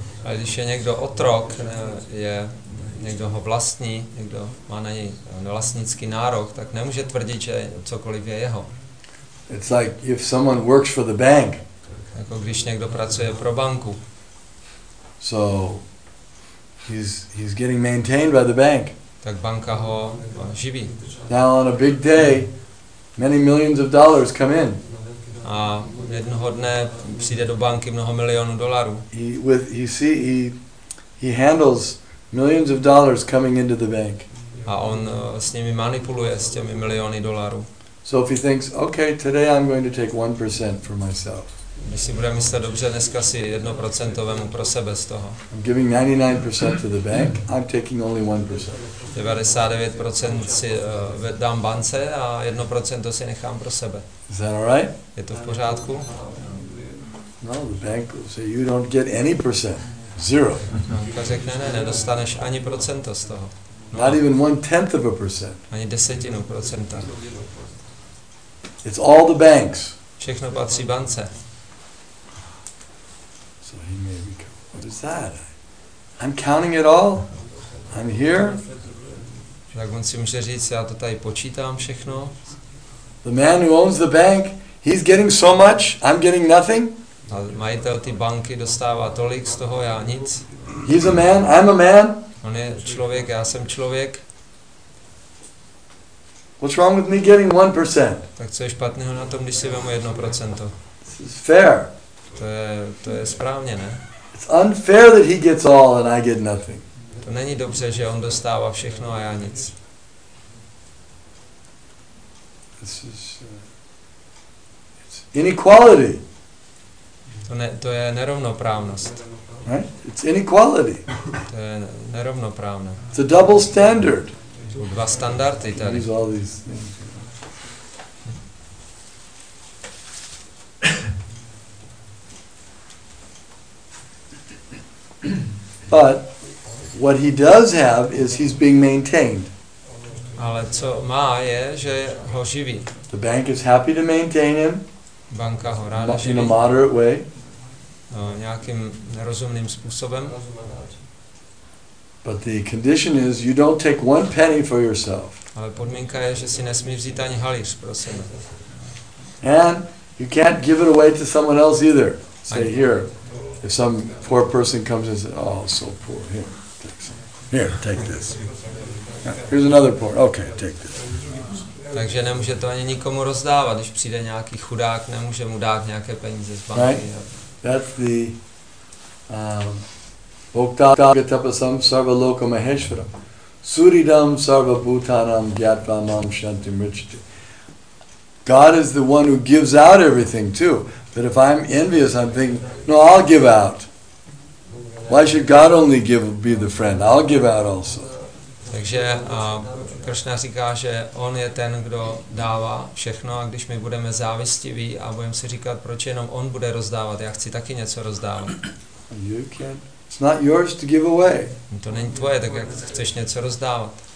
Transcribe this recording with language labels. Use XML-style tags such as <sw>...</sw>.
<cs>A když je někdo otrok, je někdo ho vlastní, někdo má na něj vlastnický nárok, tak nemůže tvrdit, že cokoliv je jeho.</cs> <en>It's like if someone works for the bank.</en> <cs>Jako když někdo pracuje pro banku.</cs> <en>So he's getting maintained by the bank.</en> <cs>Tak banka ho živí.</cs> <en>Now on a big day, many millions of dollars come in.</en> <cs>A jednoho dne přijde do banky mnoho milionů dolarů.</cs> <en>He handles millions of dollars coming into the bank.</en> <cs>A on s nimi manipuluje s těmi miliony dolarů.</cs> <en>So if he thinks, okay, today I'm going to take 1% for myself.</en> <cs>Když si bude myslet, dobře, dneska si 1% vemu pro sebe z toho.</cs> <en>I'm giving 99% to the bank, I'm taking only 1%.</en> <cs>99% si dám bance a 1% si nechám pro sebe.</cs> <en>Is that all right?</en> <cs>Je to v pořádku?</cs> <en>No, the bank will say, you don't get any percent. Zero.</en> <cs>Banka řekne, ne, nedostaneš ani procento z toho.</cs> <en>No. Not even 1/10%.</en> <cs>Ani desetinu procenta.</cs> <en>It's all the banks.</en> <cs>Všechno patří bance.</cs> <en>So he may become, what is that? I'm counting it all. I'm here.</en> <cs>Tak on si může říct, já to tady počítám všechno.</cs> <en>The man who owns the bank, he's getting so much, I'm getting nothing.</en> <cs>A majitel ty banky dostává tolik z toho, já nic.</cs> <en>He's a man, I'm a man.</en> <cs>On je člověk, já jsem člověk.</cs> <en>What's wrong with me getting 1%?</en> <cs>Tak co je špatného na tom, když si vemu 1%?</cs> <en>It's fair.</en> <cs>To je správně, ne?</cs> <en>It's unfair that he gets all and I get nothing.</en> <cs>To není dobře, že on dostává všechno a já nic.</cs> <en>This is it's inequality.</en> <cs>To je nerovnoprávnost.</cs> <en>Right? It's inequality.</en> <cs>To je nerovnoprávné.</cs> <en>It's a double standard.</en> <cs>Jsou dva standardy tady.</cs> <en>All these things. But what he does have is he's being maintained.</en> <cs>Ale co má je, že ho živí.</cs> <en>The bank is happy to maintain him.</en> <cs>Banka ho ráda živí.</cs> <en>In a moderate way.</en> <cs>Nějakým nerozumným způsobem.</cs> <en>But the condition is you don't take one penny for yourself.</en> <cs>Ale podmínka je, že si nesmí vzít ani haliř pro sebe.</cs> <en>And you can't give it away to someone else either. Say here, if some poor person comes and says, oh, so poor, here, take this. Here's another poor. Okay, take this.</en> <cs>Takže nemůže to ani nikomu rozdávat, když přijde nějaký chudák, nemůže mu dát nějaké peníze z banky.</cs> <en>Right? That's the</en> <sa>Bhoktavyatapa sam sarva loka maheshvara. Suridam sarva bhutanam jatvamam shanti mrichati.</sa> <en>God is the one who gives out everything too. But if I'm envious, I'm thinking, no, I'll give out. Why should God only give, be the friend? I'll give out also.</en> <cs>Takže Krishna říká, že on je ten, kdo dává všechno, a když my budeme závistiví a budeme si říkat, proč jenom on bude rozdávat, já chci taky něco rozdávat.</cs> <en>You can't. It's not yours to give away.</en> <cs>To není tvoje, tak jak chceš něco rozdávat.</cs>